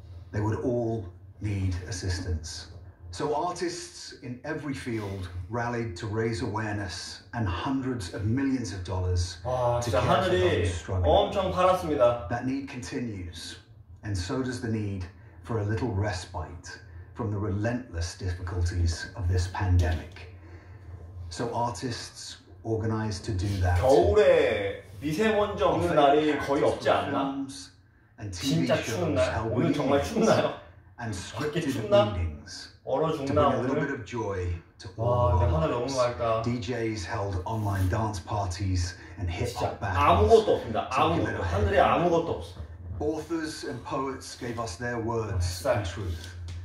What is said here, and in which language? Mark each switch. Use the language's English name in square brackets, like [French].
[English] They would all need assistance. So artists in every field rallied to raise awareness and hundreds of millions of dollars to care for those struggling. That need continues, and so does the need for a little respite from the relentless difficulties of this pandemic. So artists organized to do that. [Korean] 겨울에 미세먼지 없는 날이 거의 없지 않나? 진짜 추운 날? 오늘 정말 춥나요? [English] And scripted meetings to bring a little bit of joy to all of our lives. DJs held online dance parties and hip-hop battles. [Korean] 아무것도 없습니다. 아무것도. 하늘에 아무것도 없어. [English] Authors and poets gave us their words and truth.